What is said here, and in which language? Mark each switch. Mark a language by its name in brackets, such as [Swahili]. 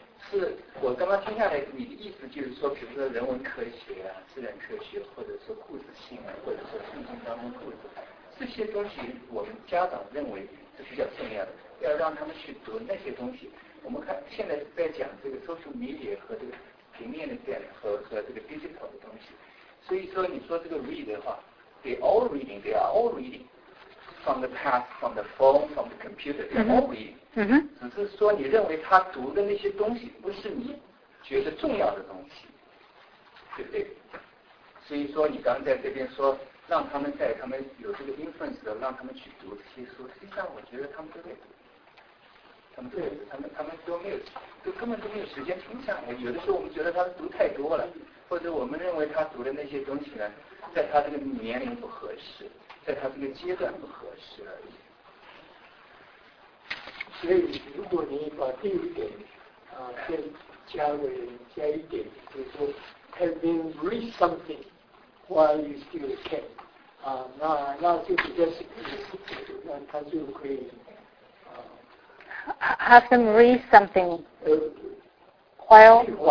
[Chinese] 是我刚刚听下来，你的意思就是说，比如说人文科学啊、自然科学，或者说故事性啊，或者说圣经当中故事，这些东西我们家长认为是比较重要的，要让他们去读那些东西。我们看现在在讲这个 social media 和这个。平面的电和这个 digital 的东西，所以说你说这个 read 的话 [English] ，they are all reading from the pad, from the phone, from the computer, they all reading。 [Chinese] 只是说你认为他读的那些东西不是你觉得重要的东西，对不对？所以说你刚在这边说让他们在他们有这个 influence 的让他们去读这些书，实际上我觉得他们都在读。他们都没有，都根本都没有时间停下来。有的时候我们觉得他读太多了，或者我们认为他读的那些东西呢，在他这个年龄不合适，在他这个阶段不合适而已。所以，如果你把第一点啊、先加一点，就是说 [English] having read something while you still can [Chinese] 啊，那就比较是，那他就可以。 [English] Have them read something while